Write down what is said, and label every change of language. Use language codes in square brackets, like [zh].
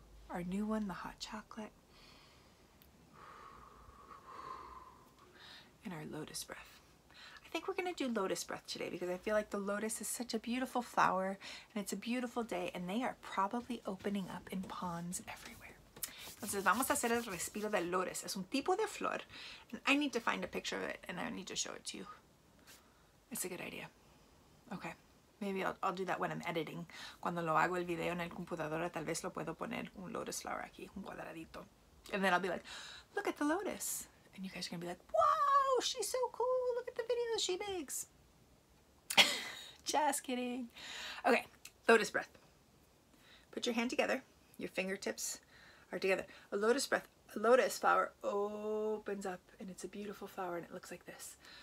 [en] Our new one, the hot chocolate. And our lotus breath. I think we're gonna do lotus breath today because I feel like the lotus is such a beautiful flower and it's a beautiful day and they are probably opening up in ponds everywhere. [es] Entonces vamos a hacer el respiro del lotus. Es un tipo de flor. [en] And I need to find a picture of it and I need to show it to you. It's a good idea. Okay, maybe I'll do that when I'm editing. [es] Cuando lo hago el video en el computadora, tal vez lo puedo poner un [en] lotus flower [es] aquí, un cuadradito. [en] And then I'll be like, look at the lotus. And you guys are gonna be like, whoa, she's so cool. Look at the videos she makes. Just kidding. Okay, lotus breath. Put your hand together. Your fingertips are together. A lotus breath, a lotus flower opens up and it's a beautiful flower and it looks like this.